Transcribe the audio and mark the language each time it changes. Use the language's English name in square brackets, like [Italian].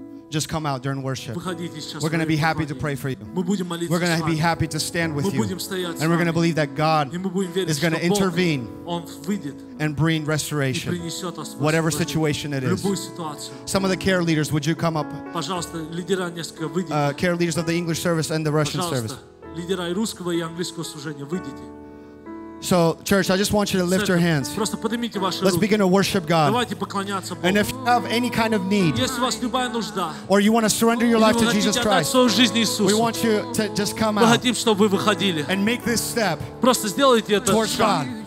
[English] Just come out during worship. We're going to be happy to pray for you. We're going to be happy to stand with you. And we're going to believe that God is going to intervene and bring restoration, whatever situation it is. Some of the care leaders, would you come up? Care leaders of the English service and the Russian service. [Russian] Лидера и русского, и английского служения, выйдите. [English] So, church, I just want you to lift your hands. Let's begin to worship God. And if you have any kind of need, or you want to surrender your life to Jesus Christ, we want you to just come out and make this step towards God.